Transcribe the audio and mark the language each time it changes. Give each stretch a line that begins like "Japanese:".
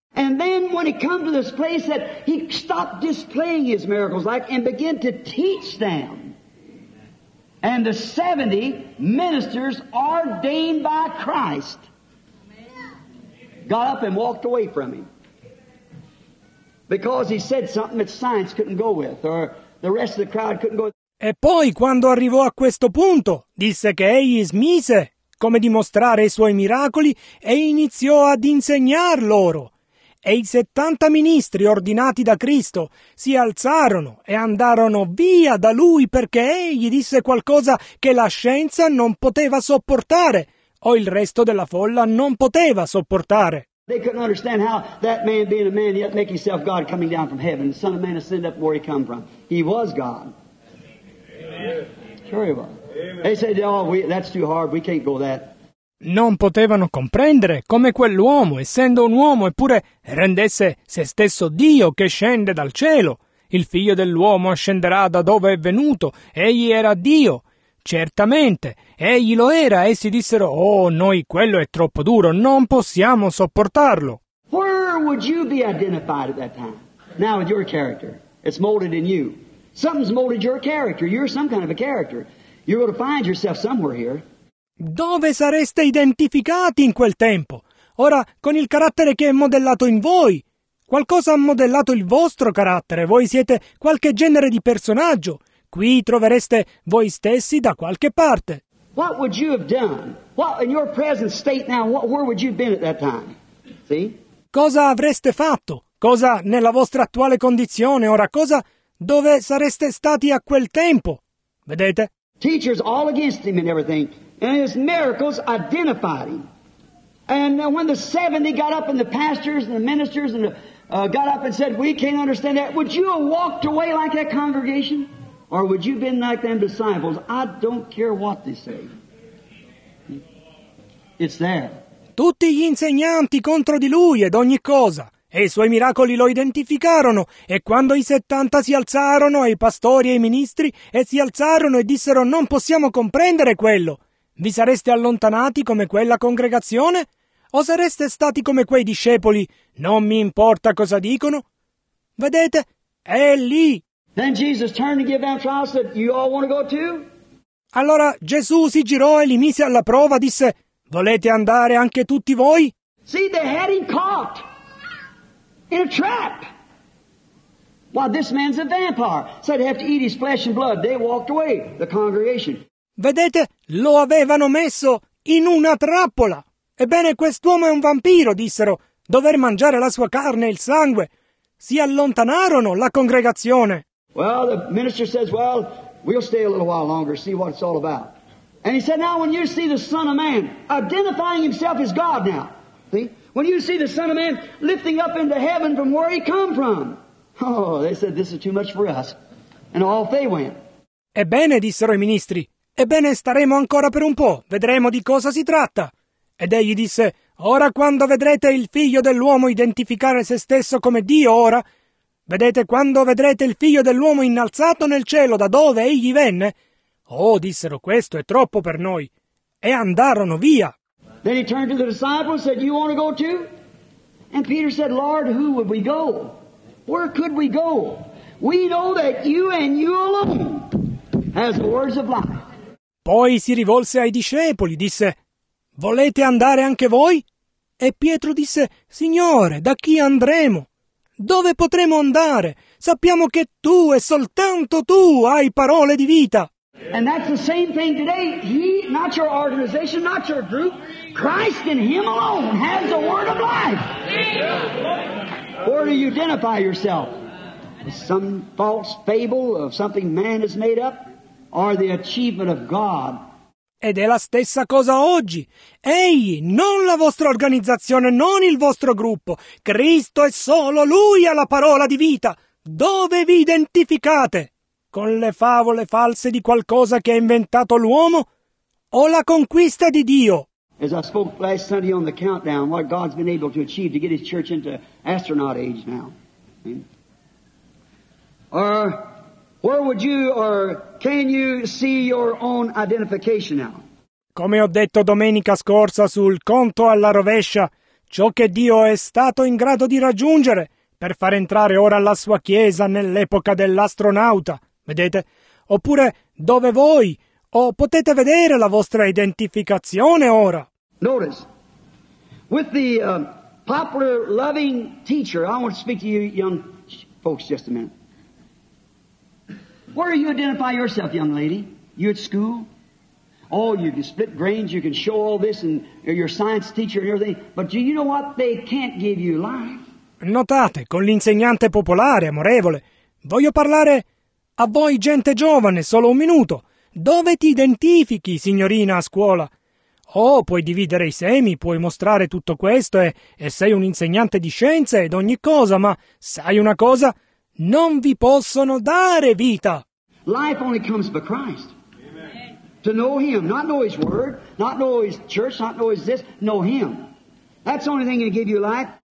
English: And then when he came to this place that he stopped displaying his miracles like and began to teach them. And the 70 ministers ordained by Christ got up and walked away from him. Because he said something that science couldn't go with, or the rest of the crowd couldn't go with.
Italian: E poi, quando arrivò a questo punto, disse che egli smise come dimostrare i suoi miracoli e iniziò ad insegnar loro. E i 70 ministri ordinati da Cristo si alzarono e andarono via da lui perché egli disse qualcosa che la scienza non poteva sopportare o il resto della folla non poteva sopportare.
English: They couldn't understand how that man being a man yet make himself God coming down from heaven. The Son of Man ascend up where he come from. He was God. Amen. Sure he was. Amen. They said, oh, that's too hard. We can't go that.
Italian: Non potevano comprendere come quell'uomo, essendo un uomo, eppure rendesse se stesso Dio che scende dal cielo. Il figlio dell'uomo ascenderà da dove è venuto. Egli era Dio. Certamente, egli lo era, essi dissero, oh, noi, quello è troppo duro, non possiamo sopportarlo.
English: Where would you be identified at that time? Now with your character. It's molded in you. Something's molded your character. You're some kind of a character. You're going to find yourself somewhere here.
Italian: Dove sareste identificati in quel tempo? Ora, con il carattere che è modellato in voi. Qualcosa ha modellato il vostro carattere. Voi siete qualche genere di personaggio. Qui trovereste voi stessi da qualche parte.
English: What would you have done? What in your present state now? Where would you have been at that time? See?
Italian: Cosa avreste fatto? Cosa nella vostra attuale condizione ora? Cosa dove sareste stati a quel tempo? Vedete?
English: Teachers all against him and everything, and his miracles identified him. And when the 70 got up and the pastors and the ministers and got up and said, "We can't understand that," would you have walked away like that congregation? Or would you been like them disciples? I don't care what they say. It's there.
Italian: Tutti gli insegnanti contro di lui ed ogni cosa. E i suoi miracoli lo identificarono. E quando i 70 si alzarono, e i pastori e i ministri, e si alzarono e dissero, non possiamo comprendere quello. Vi sareste allontanati come quella congregazione? o sareste stati come quei discepoli? Non mi importa cosa dicono. Vedete, è lì.
English: Then Jesus turned to give them trial, said, "You all want to go too?"
Italian: Allora Gesù si girò e li mise alla prova, disse: "Volete andare anche tutti voi?"
English: See, they had him caught in a trap. Why, this man's a vampire. Said he'd have to eat his flesh and blood. They walked away, the congregation.
Italian: Vedete, lo avevano messo in una trappola. Ebbene, quest'uomo è un vampiro, dissero. Dover mangiare la sua carne e il sangue. Si allontanarono la congregazione.
English: Well, the minister says, "Well, we'll stay a little while longer, see what it's all about." And he said, "Now when you see the Son of Man identifying himself as God now, see? When you see the Son of Man lifting up into heaven from where he come from." Oh, they said, "This is too much for us." And off they went.
Italian: Ebbene, dissero i ministri, ebbene, staremo ancora per un po', vedremo di cosa si tratta. Ed egli disse, ora quando vedrete il figlio dell'uomo identificare se stesso come Dio ora, vedete quando vedrete il figlio dell'uomo innalzato nel cielo da dove egli venne. Oh, dissero, questo è troppo per noi. E andarono via.
English: Then he turned to the disciples and said, "You want to go too?" And Peter said, "Lord, who would we go? Where could we go? We know that you and you alone has the words of life."
Italian: Poi si rivolse ai discepoli, disse, "Volete andare anche voi?" E Pietro disse, "Signore, da chi andremo? Dove potremo andare? Sappiamo che tu e soltanto tu hai parole di vita."
English: And that's the same thing today. He, not your organization, not your group, Christ in him alone has the word of life. Where do you identify yourself? Some false fable of something man has made up? Are the achievement of God.
Italian: Ed è la stessa cosa oggi. Egli, non la vostra organizzazione, non il vostro gruppo. Cristo è solo Lui ha la parola di vita. Dove vi identificate? Con le favole false di qualcosa che ha inventato l'uomo? O la conquista di Dio?
English: As I spoke last Sunday on the countdown, what God's been able to achieve to get His church into astronaut age now. Where would you or can you see your own identification now?
Italian: Come ho detto domenica scorsa sul conto alla rovescia, ciò che Dio è stato in grado di raggiungere per far entrare ora la sua chiesa nell'epoca dell'astronauta, vedete? Oppure dove voi o potete vedere la vostra identificazione ora?
English: Notice, with the popular loving teacher, I want to speak to you young folks just a minute. Where do you identify yourself, young lady? You at school? Oh, you can split grains, you can show all this, and you're your science teacher and everything, but do you know what? They can't give you life.
Italian: Notate, con l'insegnante popolare, amorevole, voglio parlare a voi gente giovane, solo un minuto. Dove ti identifichi, signorina, a scuola? Oh, puoi dividere i semi, puoi mostrare tutto questo e sei un insegnante di scienze ed ogni cosa, ma sai una cosa? Non vi possono dare vita.
English: Life only comes by Christ. Amen. To know Him, not know His Word, not know His Church, not know His this, know Him. That's the only thing that can give you life.